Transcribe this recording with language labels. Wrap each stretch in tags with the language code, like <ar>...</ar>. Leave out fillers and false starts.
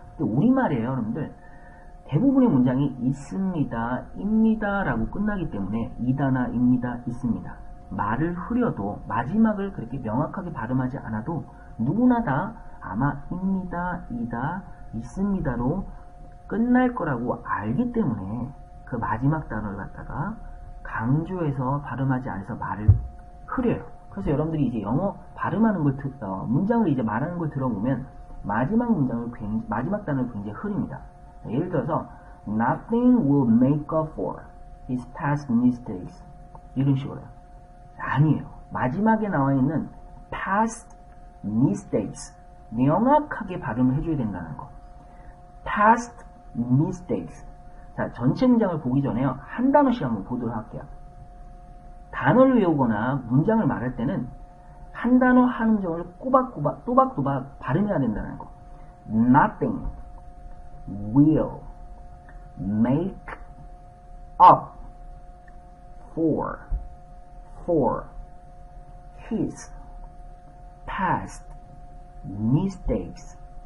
<ko>근데 우리말이에요 여러분들. 대부분의 문장이 있습니다, 입니다 라고 끝나기 때문에 이다나 입니다, 있습니다, 말을 흐려도 마지막을 그렇게 명확하게 발음하지 않아도 누구나 다 아마 입니다, 이다, 있습니다로 끝날 거라고 알기 때문에 그 마지막 단어를 갖다가 강조해서 발음하지 않아서 말을 흐려요. 그래서 여러분들이 이제 영어 발음하는 걸 문장을 이제 말하는 걸 들어보면 마지막 문장을 마지막 단어를 굉장히 흐립니다. 예를 들어서</ko> <en>Nothing will make up for his past mistakes.</en> <ko>이런 식으로요. 아니에요. 마지막에 나와 있는</ko> <en>past mistakes.</en> <ko>명확하게 발음을 해줘야 된다는 거.</ko> <en>past mistakes.</en> <ko>자, 전체 문장을 보기 전에요. 한 단어씩 한번 보도록 할게요. 단어를 외우거나 문장을 말할 때는 한 단어 한 음정을 꼬박꼬박, 또박또박 발음해야 된다는 거.</ko> <en>nothing, will, make, up, for, his, past, mistakes.</en>